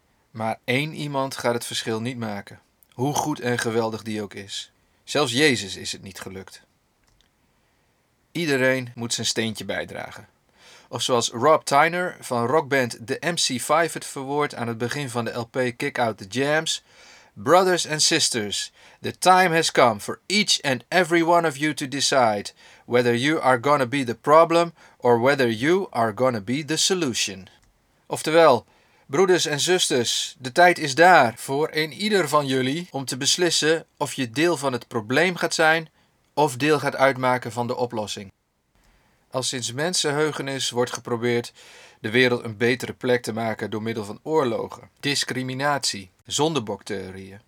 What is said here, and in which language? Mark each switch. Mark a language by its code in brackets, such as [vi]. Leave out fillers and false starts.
[nl] Maar één iemand gaat het verschil niet maken, hoe goed en geweldig die ook is. Zelfs Jezus is het niet gelukt. Iedereen moet zijn steentje bijdragen. Of zoals Rob Tyner van rockband The MC5 het verwoordt aan het begin van de LP Kick Out The Jams. [en] Brothers and sisters, the time has come for each and every one of you to decide whether you are gonna be the problem or whether you are gonna be the solution. [nl] Oftewel, broeders en zusters, de tijd is daar voor een ieder van jullie om te beslissen of je deel van het probleem gaat zijn of deel gaat uitmaken van de oplossing. Al sinds mensenheugenis wordt geprobeerd de wereld een betere plek te maken door middel van oorlogen, discriminatie, zondebok-theorieën.